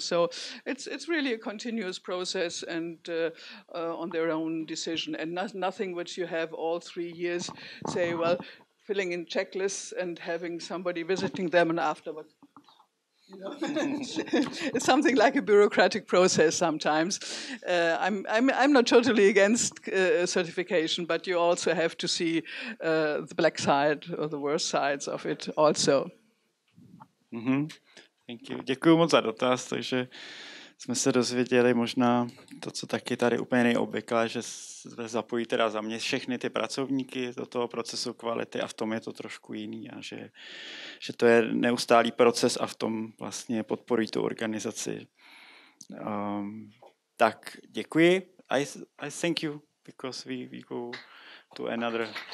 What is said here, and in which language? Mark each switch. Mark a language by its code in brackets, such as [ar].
[en] So it's really a continuous process, and on their own decision, and nothing which you have all 3 years say, well, filling in checklists and having somebody visiting them and afterwards. It's something like a bureaucratic process sometimes. I'm not totally against certification, but you also have to see the black side or the worst sides of it also. Mm-hmm. Thank you. [cs] Děkuju moc za dotaz, takže jsme se dozvěděli možná to, co taky tady úplně nejobvyklé, že se zapojí teda za mě všechny ty pracovníky do toho procesu kvality, a v tom je to trošku jiný, a že to je neustálý proces a v tom vlastně podporují tu organizaci. Tak děkuji. [en] I thank you, because we go to another.